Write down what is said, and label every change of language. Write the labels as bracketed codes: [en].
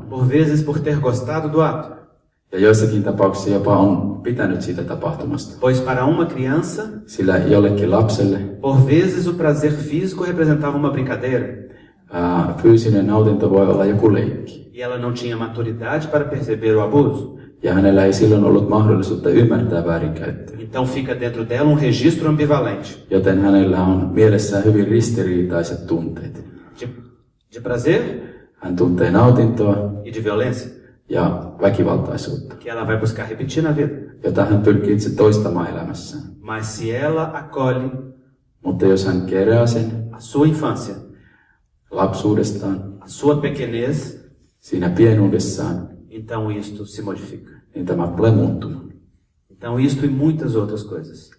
[pt] Por vezes por ter gostado do ato. [fi] Ja joissakin tapauksissa jopa on pitänyt siitä tapahtumasta. [pt] Pois para uma criança. [fi] Sillä jollekin lapselle. [pt] Por vezes o prazer físico representava uma brincadeira. [fi] Fyysinen nautinto voi olla joku leikki. [pt] E ela não tinha maturidade para perceber o abuso. [fi] Ja hänellä ei silloin ollut mahdollisuutta ymmärtää väärinkäyttöä. [pt] Então fica dentro dela registro ambivalente. [fi] Joten hänellä on mielessään hyvin ristiriitaiset tunteet. [pt] De prazer. [fi] Hän tuntee nautintoa. [pt] E de violência. [fi] Ja väkivaltaisuutta. [pt] Que ela vai buscar repetir na vida. [fi] jota hän pyrkitsi toistamaan elämässään. [pt] Mas se ela acolhe, [fi] mutta jos hän kerää sen, [pt] a sua infância, [fi] lapsuudestaan, [pt] a sua pequenez, [fi] siinä pienuudessaan, [pt] então isto se modifica. [fi] Niin tämä tulee muuttumaan. [pt] Então isto e muitas outras coisas.